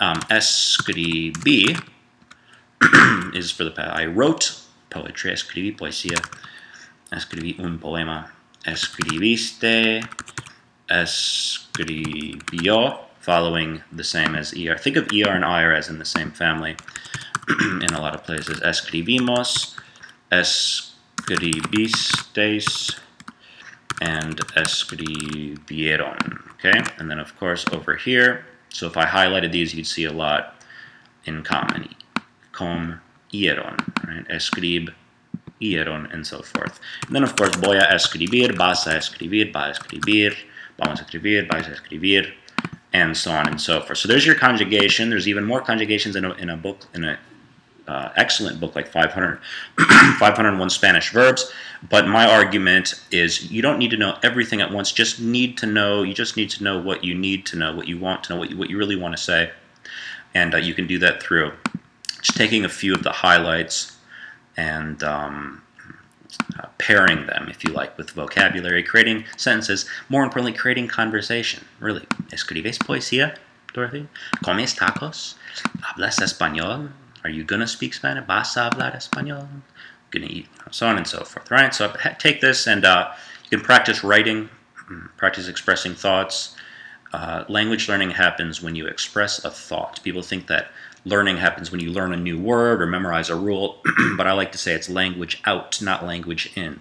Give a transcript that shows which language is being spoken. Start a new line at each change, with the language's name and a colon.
English: escribí is for the past. I wrote poetry.
Spanish: Escribí poesía. Escribí un poema. Escribiste. Escribió.
English: Following the same as ER. Think of ER and IR as in the same family in a lot of places.
Spanish: Escribimos, escribisteis, and escribieron.
English: Okay, and then of course over here, so if I highlighted these, you'd see a lot in common. Comieron, right? Escribieron, and so forth. And then of course,
Spanish: voy a escribir, vas a escribir, va a escribir, vamos a escribir, vais a escribir.
English: And so on and so forth. So there's your conjugation. There's even more conjugations in a book, in an excellent book like 501 Spanish Verbs. But my argument is you don't need to know everything at once. You just need to know what you need to know, what you want to know, what you really want to say. And you can do that through just taking a few of the highlights and pairing them, if you like, with vocabulary, creating sentences, more importantly, creating conversation, really.
Spanish: ¿Escribes poesía, Dorothy? ¿Comes tacos? ¿Hablas español?
English: Are you gonna speak Spanish?
Spanish: ¿Vas a hablar español?
English: Gonna eat? So on and so forth, right? So take this and you can practice writing, practice expressing thoughts. Language learning happens when you express a thought. People think that learning happens when you learn a new word or memorize a rule, but I like to say it's language out, not language in.